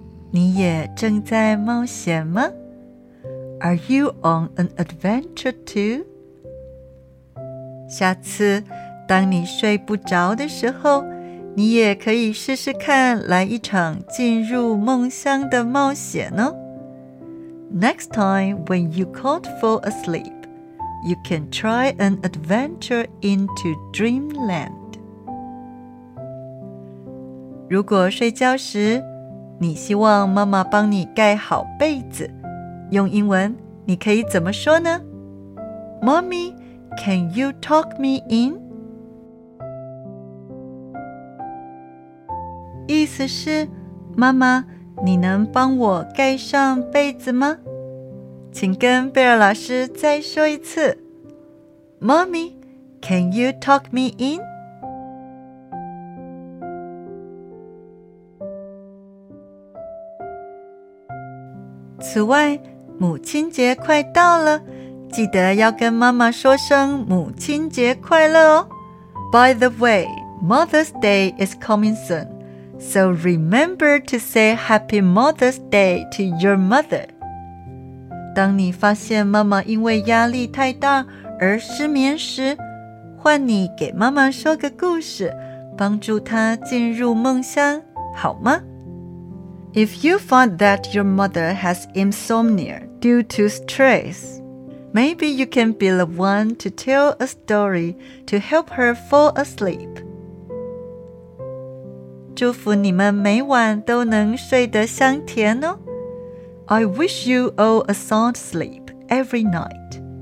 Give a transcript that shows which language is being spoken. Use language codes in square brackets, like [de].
[zh] 你也正在冒险吗？ [en] Are you on an adventure too? [zh] 下次当你睡不着的时候，你也可以试试看来一场进入梦乡的冒险哦。 [en] Next time when you can't fall asleep, you can try an adventure into dreamland. [zh] 如果睡觉时你希望妈妈帮你盖好被子，用英文你可以怎么说呢？ [en] Mommy,Can you talk me in? [zh] 意思是，妈妈，你能帮我盖上被子吗？请跟贝尔老师再说一次。 [en] Mommy, can you talk me in? [zh] 此外，母亲节快到了。记得要跟妈妈说声母亲节快乐哦。 [en] By the way, Mother's Day is coming soon, so remember to say Happy Mother's Day to your mother. [zh] 当你发现妈妈因为压力太大而失眠时，换你给妈妈说个故事，帮助她进入梦乡，好吗？ [en] If you find that your mother has insomnia due to stress,Maybe you can be the one to tell a story to help her fall asleep. [zh] 祝福你们每晚都能睡得香甜哦。 [en] I wish you all a sound sleep every night.